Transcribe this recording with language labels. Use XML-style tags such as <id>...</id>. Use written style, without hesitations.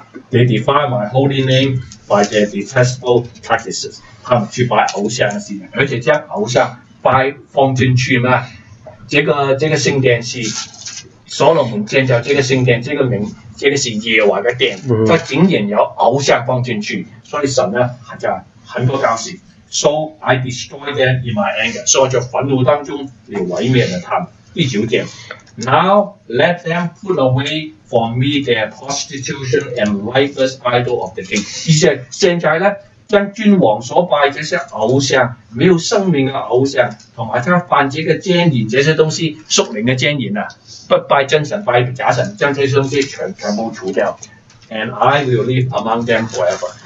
<en>They defy my holy name by their detestable practices.</en> <zh>他们去拜偶像的事情，而且将偶像拜放进去嘛。这个圣殿是所罗门建造这个圣殿，这个名，这个是耶和华的殿，他仅仅有偶像放进去，所以神呢还在很多高兴。</zh> <en>So I destroy them in my anger，</en> <zh>所以在愤怒当中你毁灭了他们。第九点</zh> <en>，Now let them put away from me their prostitution and lifeless idol of the king。</en> <zh>意思现在呢，将君王所拜这些偶像，没有生命的偶像，同埋他犯这个奸淫，这些东西属灵的奸淫啊，不拜真神，拜假神，将这些东西全部除掉。</zh> <en>And I will live among them forever。</en>